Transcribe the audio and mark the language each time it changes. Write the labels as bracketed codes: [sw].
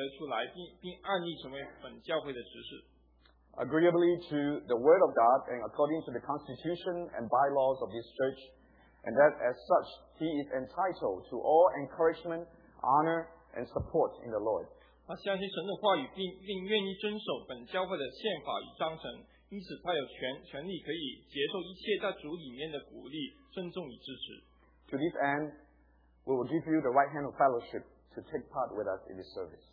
[zh] 宣告魏文廷弟兄已经被拣选分别出来，并按例成为本教会的执事。 [en] Agreeably to the word of God and according to the constitution and bylaws of this church, and that as such he is entitled to all encouragement, honor, and support in the Lord. [zh] 他相信神的话语，并愿意遵守本教会的宪法与章程。因此他有权利可以接受一切在主里面的鼓励，尊重与支持。 [en] To this end, we will give you the right hand of fellowship to take part with us in this service.